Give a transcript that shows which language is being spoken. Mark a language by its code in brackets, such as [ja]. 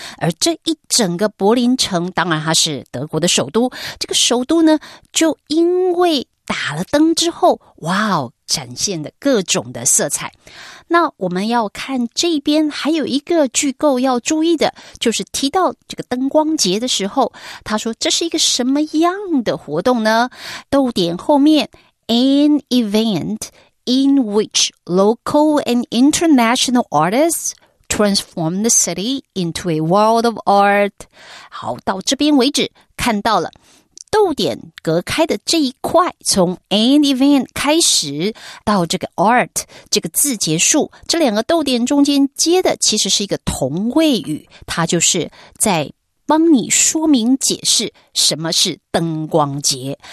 [zh] 而这一整个柏林城，当然它是德国的首都，这个首都呢，就因为打了灯之后，哇哦，展现的各种的色彩。那我们要看这边还有一个句构要注意的，就是提到这个灯光节的时候，他说这是一个什么样的活动呢？逗点后面 [en] an event in which local and international artists transform the city into a world of art。 [zh] 好，到这边为止，看到了逗点隔开的这一块，从 an event 开始到这个 art 这个字结束，这两个逗点中间接的其实是一个同位语，它就是在帮你说明解释什么是灯光节。